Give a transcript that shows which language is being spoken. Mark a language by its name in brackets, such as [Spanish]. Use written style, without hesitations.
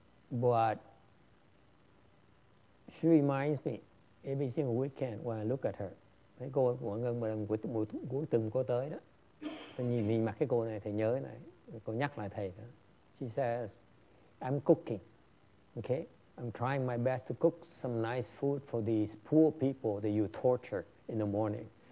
[English] But she reminds me every single weekend when I look at her. [Vietnamese] Thấy cô Quảng Ngân mà cuối tuần cô tới đó. Tôi nhìn mặt cái cô này thì nhớ này. Cô nhắc lại thầy đó. [English] She says, I'm cooking, okay? I'm trying my best to cook some nice food for these poor people that you torture in the morning.